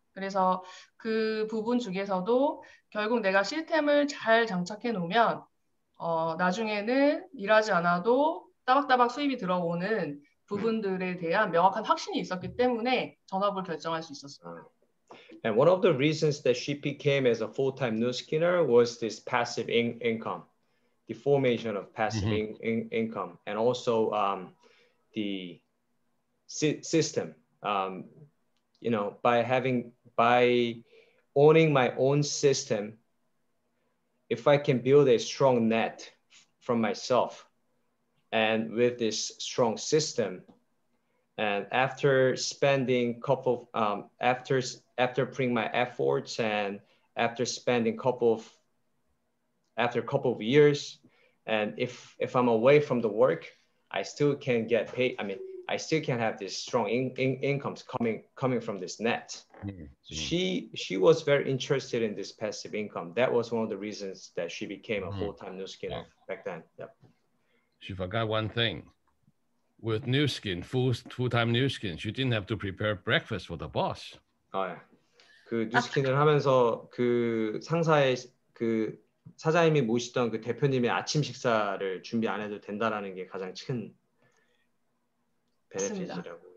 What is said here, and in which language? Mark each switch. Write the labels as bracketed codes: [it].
[ko] 그래서 그 부분 중에서도 결국 내가 시스템을 잘 장착해 놓으면 나중에는 일하지 않아도 따박따박 수입이 들어오는 부분들에 대한 명확한 확신이 있었기 때문에 전업을 결정할 수 있었습니다. [en] And one of the reasons that she became as a full-time newskinner was this passive income. The formation of passive mm-hmm. income and also the system. You know, by owning my own system, if I can build a strong net from myself, and with this strong system, and after spending couple of after putting my efforts and after a couple of years. And if I'm away from the work, I still can get paid. I mean, I still can have this strong incomes coming from this net. Mm-hmm. She was very interested in this passive income. That was one of the reasons that she became a full-time newskinner back then. Yep. She forgot one thing. with New Skin, full-time New Skin, you didn't have to prepare breakfast for the boss. [ko] 아, 예. 그 New Skin을 하면서 그 상사의 그 사장님이 모시던 그 대표님의 아침 식사를 준비 안 해도 된다라는 게 가장 큰 베네핏이라고.